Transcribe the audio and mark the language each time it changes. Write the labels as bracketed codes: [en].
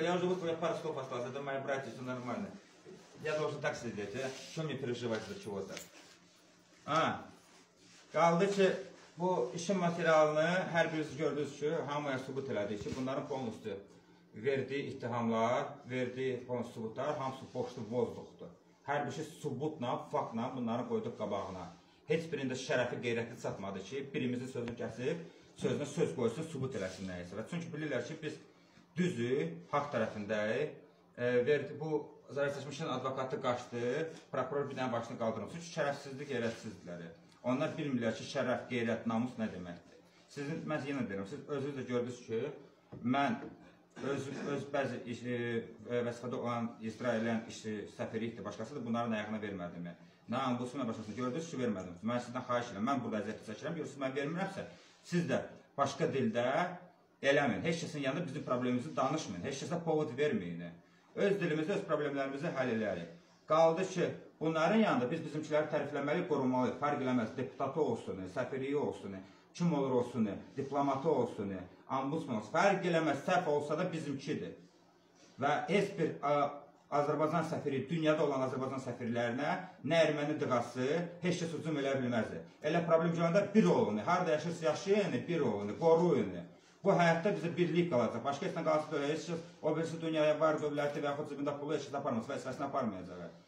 [ru] Я уже выполнил пару скоп осталось. Это мои братья, все нормально. Я должен так сидеть, а? Что мне переживать за чего-то? [az] А, kaldı ki bu işin materialını her birisi gördüğünüz için hamıya subut elədi ki bunların konusu verdiği ittihamlar, verdiği konusu subutlar hamısı boşlu bozluqdur. Her bir şey subutla, faktla bunları koyduk qabağına. Heç birində şərəfi, qeyrəti çatmadı ki birimizin sözünü kəsib, sözünə söz qoysun, subut eləsin nəyəsə. Çünki bilirlər ki biz düzü, haq tərəfindəyik. Verdi bu zərərçəkmişin advokatı qaçdı, prokuror bir dənə başını qaldırmış. Çünki şərəfsizlik, qeyrətsizlikləri. Onlar bilmirlər ki şərəf, qeyrət, namus nə deməkdir. Sizin mən yenə deyirəm, siz özünüz də gördünüz ki mən öz bəzi vəzifədə olan İsrailin işi səfirlikdir, başqasıdır. Bunları nə ayağına vermədim. Nə anbusu, nə başqasını gördünüz ki vermədim. Mən sizdən xahiş edirəm. Mən burada əziyyət çəkirəm. Yoxsa mən vermirəmsə siz də başqa dildə eləməyin. Heç kəsin yanında bizim problemimizi danışmayın. Heç kəsə povod verməyin. Öz dilimizi, öz problemlərimizi həll edərik. Qaldı ki bunların yanında biz bizimkiləri tərifləməli, qorumalı, fərq eləməz. Deputatı olsun, səfiri olsun, kim olur olsun, diplomatı olsun, ambusman olsun. Fərq eləməz, səhv olsa da bizimkidir. Və heç bir Azərbaycan səfiri, dünyada olan Azərbaycan səfirlərinə nə erməni dığası, heç kəs hücum elə bilməz. Elə problem gələndə bir olun, harada yaşırsa yaşayın, bir olun, qoruyun. Bu həyatda bizə birlik qalacaq. Başqa heç nə qalsın da heç kəs, o birisi dünyaya var dövləti və yaxud cibində pulu heç kəs aparmaz, vəzifəsini aparmayacaq.